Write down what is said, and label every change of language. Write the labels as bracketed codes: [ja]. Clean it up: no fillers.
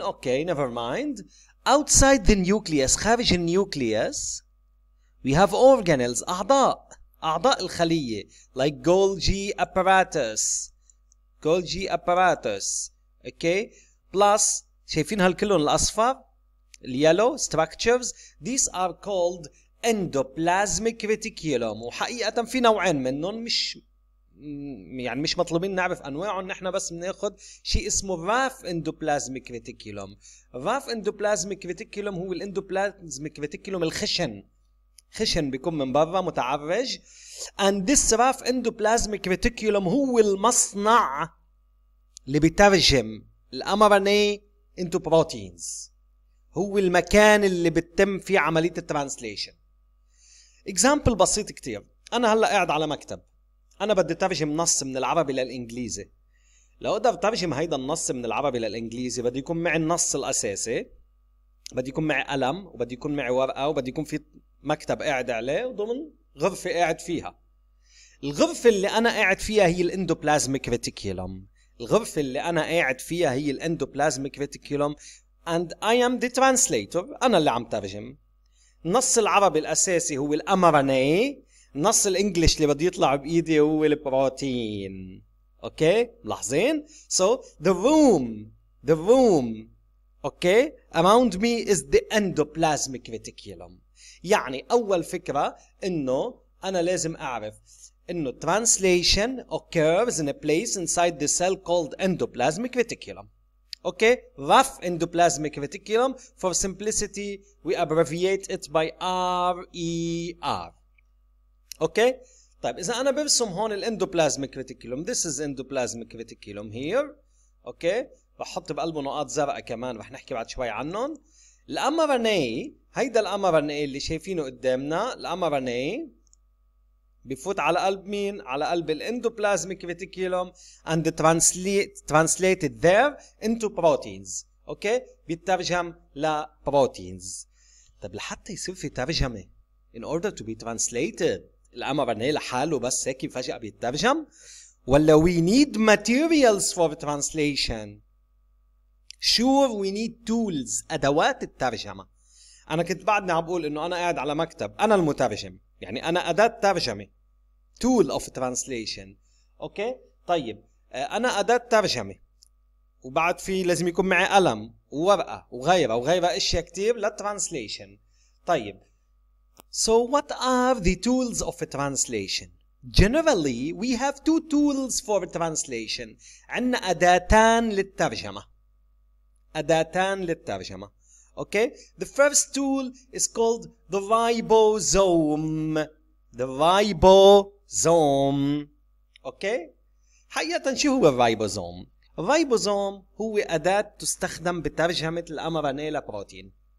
[en] Okay, never mind. Outside the nucleus، [ar] خارج النيوكليوس، [en] we have organelles، [ar] أعضاء، أعضاء الخلية، [en] like Golgi apparatus. Golgi apparatus. Okay. [ar] Plus, شايفين هالكلون الأصفر? [en] Yellow structures. These are called endoplasmic reticulum. [ar] وحقيقة في نوعين منهم مش يعني مش مطلوبين نعرف أنواعهم نحن بس بناخد شيء اسمه RAF endoplasmic reticulum. RAF endoplasmic reticulum هو الاندوبلازميك reticulum الخشن. خشن بيكون من برا متعرج. [en] And this RAF endoplasmic reticulum [ar] هو المصنع اللي بترجم الـ [en] mRNA into proteins. [ar] هو المكان اللي بتتم فيه عملية الترانسليشن. Example بسيط كتير. أنا هلأ قاعد على مكتب. أنا بدي ترجم نص من العربي للإنجليزي. لو أقدر ترجم هيدا النص من العربي للإنجليزي بدي يكون معي النص الأساسي. بدي يكون معي قلم وبدي يكون معي ورقة وبدي يكون في مكتب قاعد عليه وضمن غرفة قاعد فيها. الغرفة اللي أنا قاعد فيها هي الاندوبلازميك ريتيكيلوم. الغرفة اللي أنا قاعد فيها هي الاندوبلازميك ريتيكيلوم [en] and I am the translator. [ar] أنا اللي عم ترجم. نص العربي الأساسي هو الـ mRNA. نص الإنجليش اللي بدي يطلع بإيدي هو البروتين. [en] Okay? [ar] ملاحظين؟ [en] So, the room, okay? Around me is the endoplasmic reticulum. [ar] يعني أول فكرة إنه أنا لازم أعرف إنه [en] translation occurs in a place inside the cell called endoplasmic reticulum. Okay, RAF endoplasmic reticulum. For simplicity, we abbreviate it by RER. [ar] Okay, طيب إذا أنا برسم هون الـ endoplasmic reticulum. [en] This is endoplasmic reticulum here. [ar] Okay, بحط بقلبه نقاط زرقاء كمان رح نحكي بعد شوي عنهم. الـ mRNA, هيدا الـ mRNA اللي شايفينه قدامنا. الـ mRNA بفوت على قلب مين؟ على قلب الاندوبلازميك ريتيكيلوم [en] and translated there into proteins. Okay? [ar] بيترجم لبروتينز. طب لحتى يصير في ترجمة [en] in order to be translated [ar] الامرنا لحاله بس هيك فجأة بيترجم، ولا [en] we need materials for the translation. Sure we need tools، [ar] أدوات الترجمة. أنا كنت بعدني عم بقول إنه أنا قاعد على مكتب، أنا المترجم، يعني أنا أداة ترجمة. [en] Tool of translation. [ar] أوكي؟ طيب، أنا أداة ترجمة. وبعد في لازم يكون معي قلم وورقة وغيرها وغيرها أشياء كتير للترانسليشن. طيب. [en] So what are the tools of a translation؟ Generally we have two tools for translation. [ar] عندنا أداتان للترجمة. أداتان للترجمة. [en] Okay, the first tool is called the ribosome. The ribosome. [ar] Okay, حقيقةً شو هو الribosome؟ الribosome هو أداة تستخدم بترجمة الامرنا لبروتين.